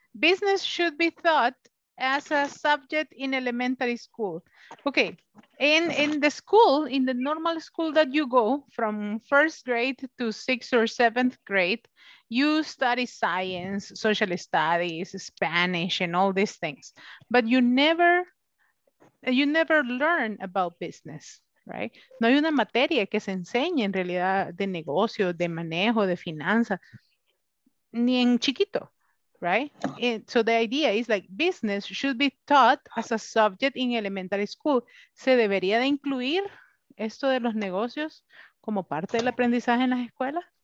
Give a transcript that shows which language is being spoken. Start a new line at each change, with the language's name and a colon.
English: Business should be taught as a subject in elementary school. Okay. In the school, in the normal school that you go from first grade to sixth or seventh grade, you study science, social studies, Spanish, and all these things. But you never learn about business, right?
Spanish: No hay una materia que se enseñe en realidad de negocio, de manejo, de finanzas, ni en chiquito,
English: right? And so the idea is like business should be taught as a subject in elementary school.
Spanish: Se debería de incluir esto de los negocios como parte del aprendizaje en las escuelas?